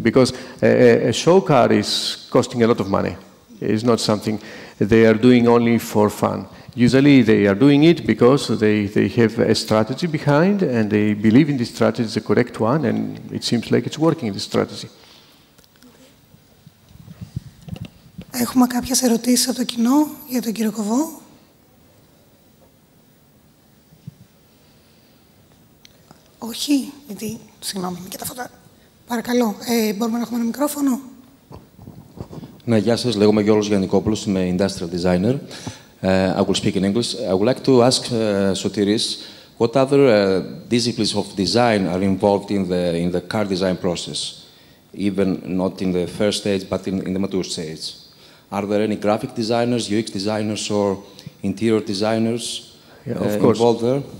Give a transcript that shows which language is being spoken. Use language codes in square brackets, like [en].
[en] Because a show car is costing a lot of money. It's not something they are doing only for fun. Usually they are doing it because they have a strategy behind and they believe in this strategy is the correct one and it seems like it's working, this strategy. [el] Έχουμε κάποιες ερωτήσεις από το κοινό για τον κύριο Κοβό. Όχι, γιατί, συγγνώμη, και τα φωτά. Παρακαλώ, μπορούμε να έχουμε ένα μικρόφωνο. Ναι, γεια σας, λέγομαι Γιώργος Γιαννικόπουλος, είμαι [en] industrial designer. I will speak in English. I would like to ask Sotiris, what other disciplines of design are involved in the car design process, even not in the first stage, but in the mature stage? Are there any graphic designers, UX designers, or interior designers involved there?